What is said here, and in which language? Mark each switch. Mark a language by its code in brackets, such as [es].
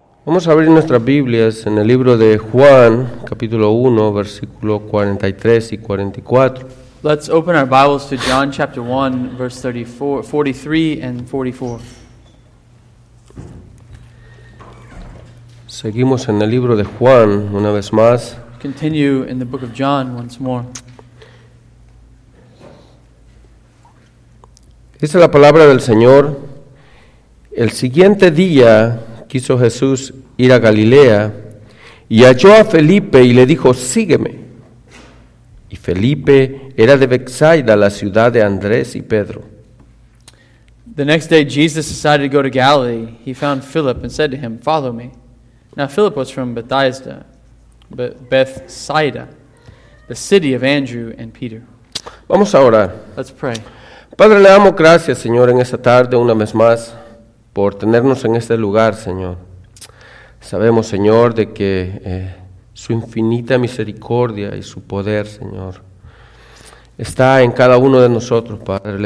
[es] Vamos a abrir nuestras Biblias en el libro de Juan, capítulo 1, versículo 43 y 44. [en] Let's open our Bibles to John chapter 1, verse 43 and 44. [es] Seguimos en el libro de Juan una vez más. [en] Continue in the book of John once more. [es] Dice la palabra del Señor: el siguiente día quiso Jesús ir a Galilea y halló a Felipe y le dijo: sígueme. Y Felipe era de Bethsaida, la ciudad de Andrés y Pedro. [en] The next day Jesus decided to go to Galilee. He found Philip and said to him, follow me. Now Philip was from Bethsaida, the city of Andrew and Peter. [es] Vamos a orar. [en] Let's pray. [es] Padre, le damos gracias, Señor, en esta tarde una vez más por tenernos en este lugar, Señor. Sabemos, Señor, de que su infinita misericordia y su poder, Señor, está en cada uno de nosotros, Padre.